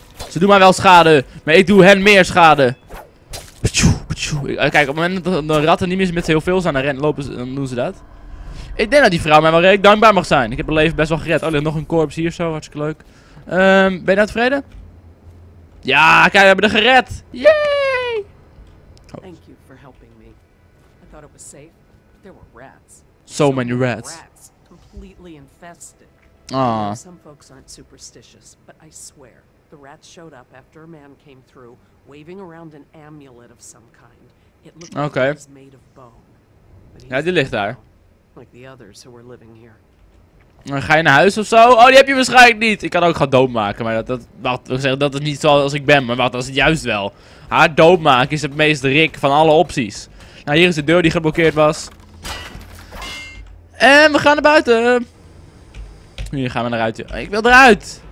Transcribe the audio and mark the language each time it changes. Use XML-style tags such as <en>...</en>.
<nl>Ze doen mij wel schade, maar ik doe hen meer schade. Kijk, op het moment dat de ratten niet meer met ze heel veel zijn, dan doen ze dat. Ik denk dat die vrouw mij wel redelijk dankbaar mag zijn. Ik heb haar leven best wel gered. Oh, er is nog een korps hier zo, hartstikke leuk. Ben je nou tevreden? Ja, kijk, we hebben er gered. Yay! Oh.</nl> <en>Thank you for helping me. I thought it was safe. There were rats. So many rats. Completely infested. Ah. Some folks aren't superstitious, but I swear the rats showed up after a man came through waving around an amulet of some kind. It looked like it was made of bone.</en> <nl>Ja, die ligt daar.</nl> <en>Like the others who were living here.</en> <nl>Ga je naar huis of zo? Oh, die heb je waarschijnlijk niet. Ik kan ook gewoon doodmaken, maar dat is niet zoals ik ben, maar wat, dat is het juist wel. Haar doodmaken is het meest rik van alle opties. Nou, hier is de deur die geblokkeerd was. En we gaan naar buiten. Nu gaan we naar buiten. Ik wil eruit.</nl>